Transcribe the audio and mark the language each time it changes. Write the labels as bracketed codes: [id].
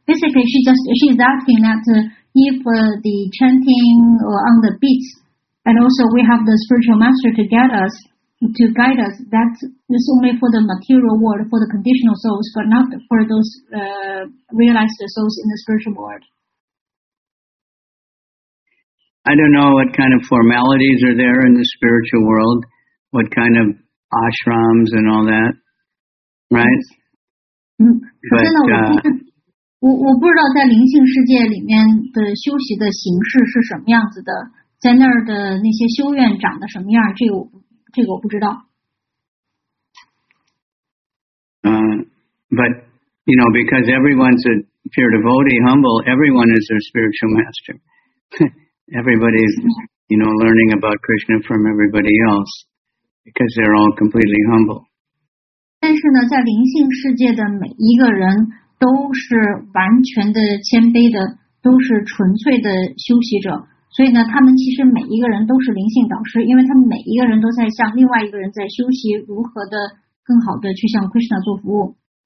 [en] Basically, she's asking that if the chanting on the beats, and also we have the spiritual master to get us, to guide us, that is only for the material world, for the conditional souls, but not for those realized souls in the spiritual world. I don't know what kind of formalities are there in the spiritual world, what kind of ashrams and all that, right? Mm-hmm. But [zh] 我不知道在灵性世界里面的修习的形式是什么样子的，在那儿的那些修院长得什么样，这个我不知道。 [en] But you know, because everyone's a pure devotee, humble, everyone is their spiritual master. Everybody's, you know, learning about Krishna from everybody else because they're all completely humble. [zh] 但是呢，在灵性世界的每一个人都是完全的谦卑的，都是纯粹的修习者。所以呢，他们其实每一个人都是灵性导师，因为他们每一个人都在向另外一个人在修习如何的更好的去向 Krishna 做服务。